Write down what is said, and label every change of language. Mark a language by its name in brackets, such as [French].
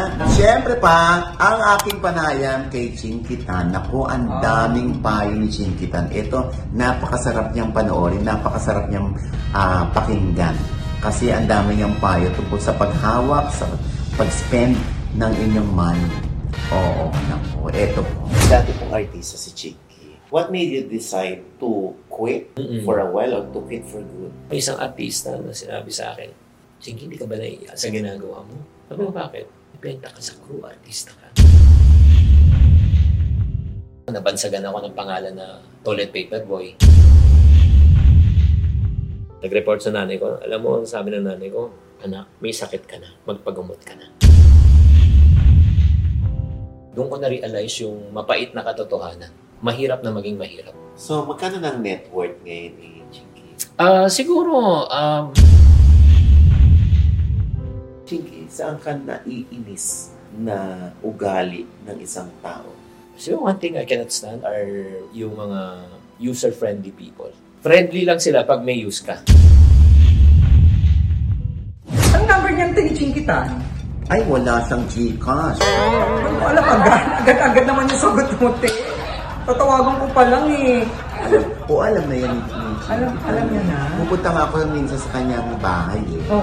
[Filipino] Siyempre pa, ang aking panayam kay Chinkitan. Naku, ang daming payo ni Chinkitan. Ito, napakasarap niyang panoorin. Napakasarap niyang pakinggan. Kasi ang dami niyang payo tungkol sa paghawak, sa pag-spend ng inyong money. Oo, naku. Ito po. Dati pong artista si Chinky. [English] What made you decide to quit for a while or to quit for good? [Filipino] May isang artista na sinabi sa akin, Chinky, hindi ka ba naiya sa ginagawa mo? Sabi mo bakit? Ipenta ka sa crew, artista ka. Nabansagan ako ng pangalan na toilet paper boy. Nag-report sa nanay ko, alam mo, sabi ng nanay ko, anak, may sakit ka na, magpagamot ka na. Doon ko na-realize yung mapait na katotohanan. Mahirap na maging mahirap. So, magkano ng net worth ngayon ni Chinky? Siguro, Chinky, saan ka naiinis na ugali ng isang tao? [English] So, one thing I cannot stand are yung mga user-friendly people. [Filipino] Friendly lang sila pag may use ka. Ang number niyan ito ni Chinkitan? Ay, wala siyang Gcash. Ano, alam, agad-agad naman yung sagot mo, te. Tatawagan ko pa lang eh. O, alam na yan ni Chinkitan. Alam niya na. Pupunta nga ako minsan sa kanyang bahay eh.